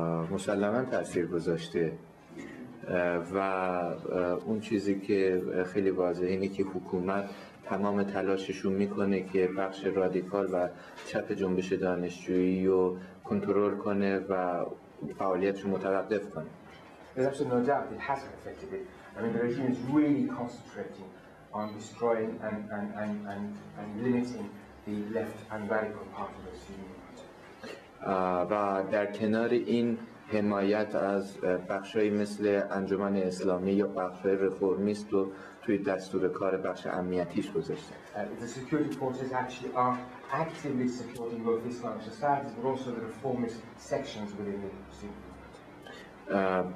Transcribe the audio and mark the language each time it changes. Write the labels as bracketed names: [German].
[Persian] مسلماً تأثیر گذاشته و اون چیزی که خیلی واضحه اینه که حکومت تمام تلاششون میکنه که بخش رادیکال و چپ جنبش دانشجویی رو کنترل کنه و فعالیتش رو متوقف کنه. [English] There's absolutely no doubt it has affected it. I mean the regime is really concentrating on destroying and limiting the left and radical part of the student movement. [Persian] و در کنار این حمایت از بخشایی مثل انجمن اسلامی یا بخش رفورمیست رو توی دستور کار بخش امنیتیش گذاشته. [English] The security forces actually are actively supporting both Islamic societies but also the reformist sections within the student movement.